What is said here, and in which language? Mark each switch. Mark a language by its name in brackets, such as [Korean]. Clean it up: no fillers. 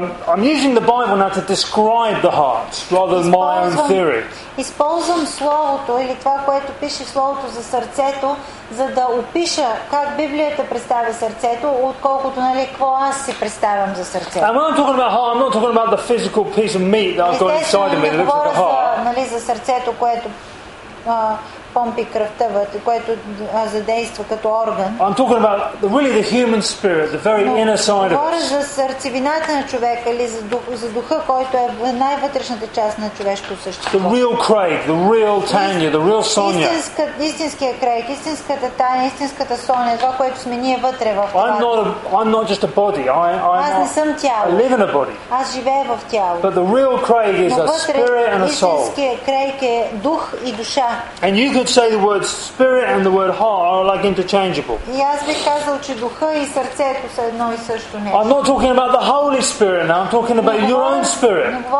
[English] I'm using the Bible now to describe the heart, rather than my own theory. [Bulgarian] Използвам словото или това, което пише словото за сърцето, за да опиша как Библията представя сърцето, отколкото нали какво аз си представям за сърцето. [English] And when I'm talking about heart, I'm not talking about the physical piece of meat that I've got inside of me that looks like a heart. [Bulgarian] Нали за сърцето, което помпи кръвта, което задейства като орган. [English] I'm talking about really the human spirit, the very inner side of us. [Bulgarian] Говоря за сърцевината на човека или за духа, който е най-вътрешната част на човешкото същество. [English] The real Craig, the real Tanya, the real Sonia. [Bulgarian] Истинския Craig, истинската Таня, истинската Соня, това, което сме ние вътре в това. [English] I'm not just a body. [Bulgarian] Аз не съм тяло. [English] I live in a body. [Bulgarian] Аз живея в тяло. [English] But the real Craig is a spirit and a soul. [Bulgarian] Истинският Craig е дух и душа. [English] And you could say the word spirit and the word heart are like interchangeable. I'm not talking about the Holy Spirit now, I'm talking about your own spirit.